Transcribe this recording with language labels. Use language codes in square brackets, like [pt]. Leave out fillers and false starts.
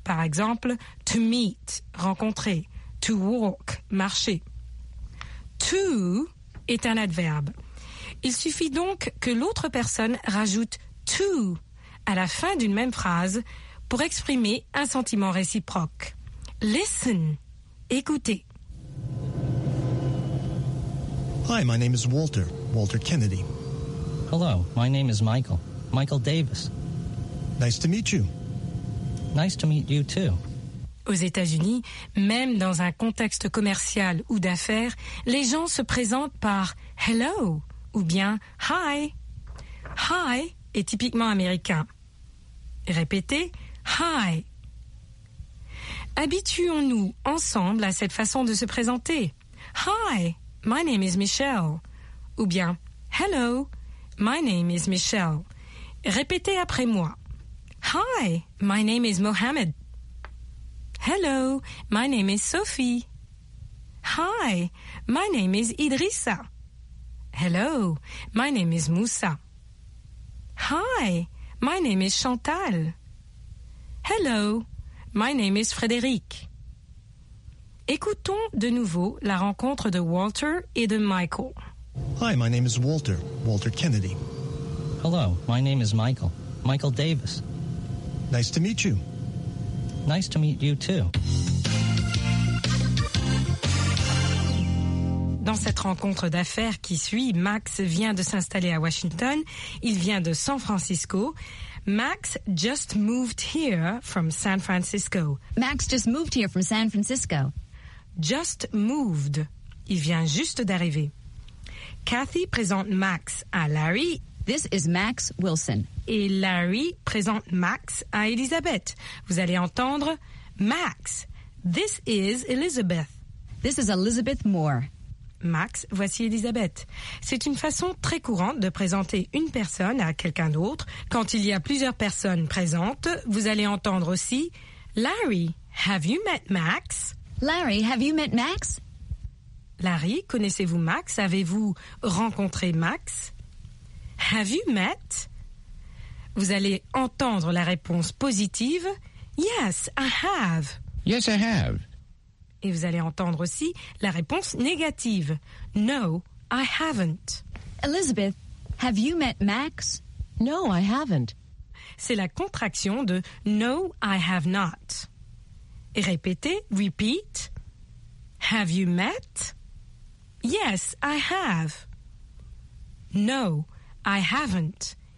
[fr] Par exemple, to meet, rencontrer. To walk, marcher. To est un adverbe. Il suffit donc que l'autre personne rajoute to à la fin d'une même phrase pour exprimer un sentiment réciproque. [en] Listen, écoutez. Hi, my name is Walter, Walter Kennedy. Hello, my name is Michael, Michael Davis. Nice to meet you. Nice to meet you too. [fr] Aux États-Unis, même dans un contexte commercial ou d'affaires, les gens se présentent par « hello » ou bien « hi ».« Hi » est typiquement américain. Répétez « hi ». Habituons-nous ensemble à cette façon de se présenter. [en] « Hi, my name is Michelle » [fr] ou bien [en] « hello, my name is Michelle ». [fr] Répétez après moi. [en] « Hi, my name is Mohammed ». Hello, my name is Sophie. Hi, my name is Idrissa. Hello, my name is Moussa. Hi, my name is Chantal. Hello, my name is Frédéric. [fr] Écoutons de nouveau la rencontre de Walter et de Michael. [en] Hi, my name is Walter, Walter Kennedy. Hello, my name is Michael, Michael Davis. Nice to meet you. Nice to meet you too. [fr] Dans cette rencontre d'affaires qui suit, Max vient de s'installer à Washington. Il vient de San Francisco. [en] Max just moved here from San Francisco. Max just moved here from San Francisco. Just moved. [fr] Il vient juste d'arriver. Kathy présente Max à Larry. [en] This is Max Wilson. [fr] Et Larry présente Max à Elizabeth. Vous allez entendre Max. [en] This is Elizabeth. This is Elizabeth Moore. [fr] Max, voici Elizabeth. C'est une façon très courante de présenter une personne à quelqu'un d'autre. Quand il y a plusieurs personnes présentes, vous allez entendre aussi [en] Larry, have you met Max? Larry, have you met Max? [fr] Larry, connaissez-vous Max? Avez-vous rencontré Max? [en] Have you met? [fr] Vous allez entendre la réponse positive. [en] Yes, I have. Yes, I have. [fr] Et vous allez entendre aussi la réponse négative. [en] No, I haven't. Elizabeth, have you met Max? No, I haven't. [fr] c'est la contraction de [en] No, I have not. [fr] Et répétez, [en] repeat. Have you met? Yes, I have. No, I haven't.